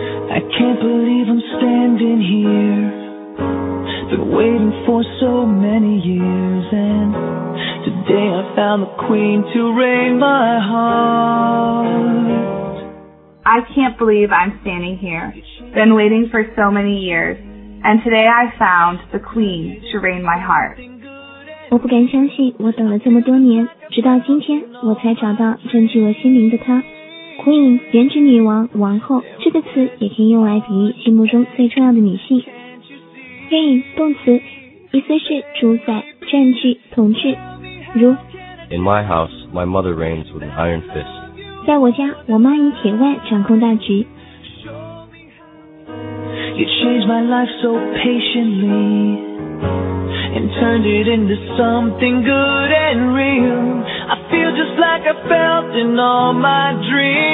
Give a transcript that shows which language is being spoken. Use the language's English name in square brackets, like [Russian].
[English] I can't believe I'm standing here. Been waiting for so many years, and today I found the queen to reign my heart. I can't believe I'm standing here. Been waiting for so many years, and today I found the queen to reign my heart. [Chinese] 我不敢相信我等了这么多年，直到今天我才找到占据我心灵的她。 Queen 原指女王、王后，这个词也可以用来比喻心目中最重要的女性。 Reign 动词，意思是主宰、占据、统治，如 [English] In my house, my mother reigns with an iron fist. [Chinese] 在我家，我妈以铁腕掌控大局。 [English] You changed my life so patiently. And turned it into something good and real. I feel just like I felt in all my dreams.